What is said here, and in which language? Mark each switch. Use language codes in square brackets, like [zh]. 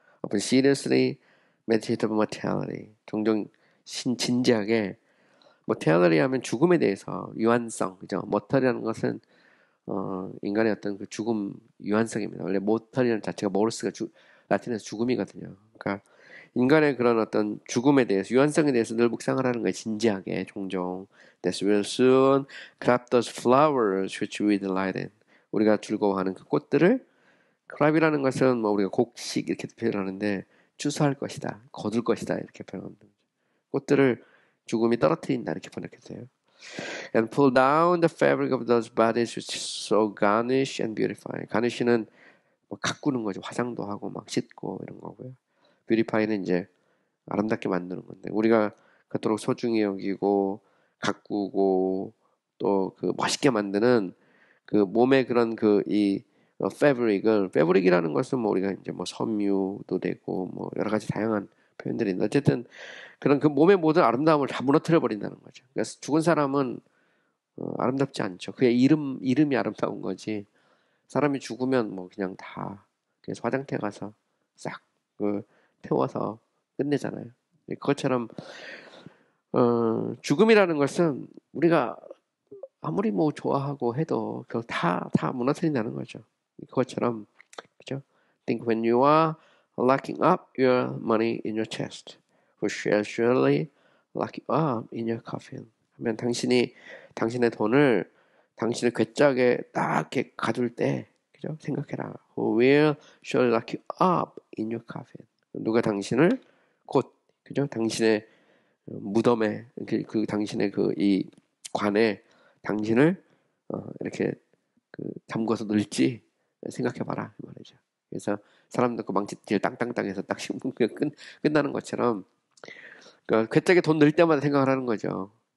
[en] Often seriously, meditative mortality. [ko] 종종 진지하게 mortality 하면 죽음에 대해서 유한성, 그죠? mortal이라는 것은 인간의 어떤 그 죽음 유한성입니다. 원래 mortal이라는 자체가 모르스가 라틴에서 죽음이거든요. 그러니까 인간의 그런 어떤 죽음에 대해서 유한성에 대해서 늘 묵상을 하는 거예요. 진지하게 종종. [en] This will soon crop those flowers which we delight in. [ko] 우리가 즐거워하는 그 꽃들을 crop이라는 것은 뭐 우리가 곡식 이렇게 표현하는데 추수할 것이다, 거둘 것이다 이렇게 표현합니다. 꽃들을 죽음이 떨어뜨린다 이렇게 번역했어요. [en] And pull down the fabric of those bodies which so garnish and beautify. [ko] garnish는 뭐 가꾸는 거죠. 화장도 하고 막 씻고 이런 거고요. beautify는 이제 아름답게 만드는 건데 우리가 그토록 소중히 여기고 가꾸고 또그 멋있게 만드는 그 몸의 그런 그이 fabric을 fabric이라는 것은 뭐 우리가 이제 뭐 섬유도 되고 뭐 여러 가지 다양한 표현들이 어쨌든 그런 그 몸의 모든 아름다움을 다 무너뜨려 버린다는 거죠. 그래서 죽은 사람은 아름답지 않죠. 그의 이름이 아름다운 거지. 사람이 죽으면 뭐 그냥 다 그래서 화장터 가서 싹그 태워서 끝내잖아요. 그것처럼 죽음이라는 것은 우리가 아무리 뭐 좋아하고 해도 그걸 다 무너뜨린다는 거죠. 그것처럼 그죠? [en] Think when you are locking up your money in your chest, who shall surely lock you up in your coffin. [ko] 하면 당신이 당신의 돈을 당신의 궤짝에 딱 이렇게 가둘 때, 그죠? 생각해라. [en] Who will surely lock you up in your coffin? [ko] 누가 당신을 곧, 그죠? 당신의 무덤에, 그 당신의 그 이 관에 당신을 이렇게 그 담궈서 넣을지 생각해봐라 이 말이죠. 그래서 사람 넣고 망치질 땅땅땅해서 딱 신문 끝나는 것처럼 그 괴짜게 돈 넣을 때마다 생각을 하는 거죠.